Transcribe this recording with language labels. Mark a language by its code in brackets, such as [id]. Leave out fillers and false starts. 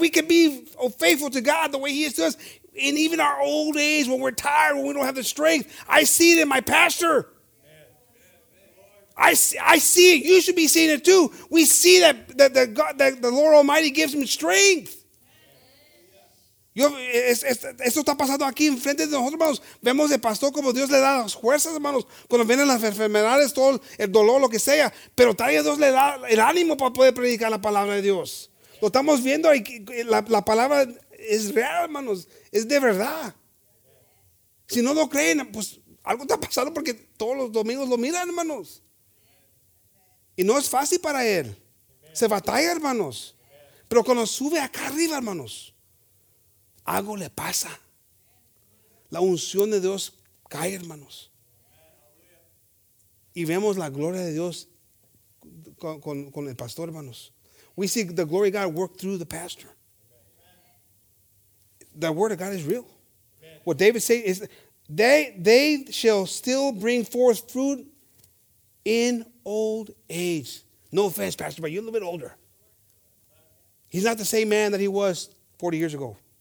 [en] We can be faithful to God the way He is to us. And even our old age, when we're tired, when we don't have the strength, I see it in my pastor. I see it. You should be seeing it too. We see that the Lord Almighty gives him strength. [es] Esto está pasando aquí en frente de nosotros, hermanos. Vemos el pastor como Dios le da las fuerzas, hermanos. Cuando vienen las enfermedades, todo el dolor, lo que sea. Pero todavía Dios le da el ánimo para poder predicar la palabra de Dios. Lo estamos viendo ahí. La palabra es real, hermanos. Es de verdad. Si no lo creen, pues algo está pasando porque todos los domingos lo miran, hermanos. Y no es fácil para él. Se batalla, hermanos. Pero cuando sube acá arriba, hermanos, algo le pasa. La unción de Dios cae, hermanos. Y vemos la gloria de Dios con el pastor, hermanos. [en] We see the glory of God work through the pastor. The word of God is real. Amen. What David said is, they shall still bring forth fruit in old age. No offense, Pastor, but you're a little bit older. He's not the same man that he was 40 years ago.